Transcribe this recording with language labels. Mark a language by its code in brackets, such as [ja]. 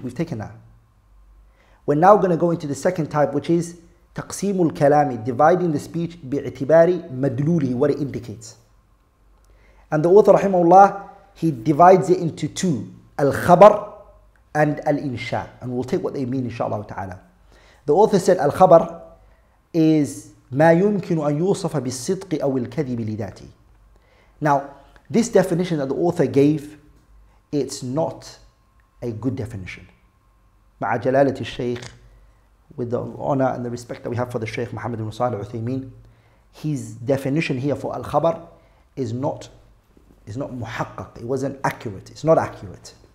[en] We've taken that. We're now going to go into the second type, which is تقسيم الكلام, dividing the speech [ar] باعتبار مدلوله, [en] what it indicates. And the author, رحمه الله, he divides it into two, الخبر and الإنشاء. And we'll take what they mean, inshallah ta'ala. The author said, الخبر is [ar] ما يمكن أن يوصف بالصدق أو الكذب لذاته. [en] Now, this definition that the author gave, it's not a good definition. [ar] مع جلالة الشيخ, [en] with the honor and the respect that we have for the Shaykh Muhammad ibn Salih Uthaymeen, his definition here for al-khabar is not muhaqqaq, it wasn't accurate, it's not accurate.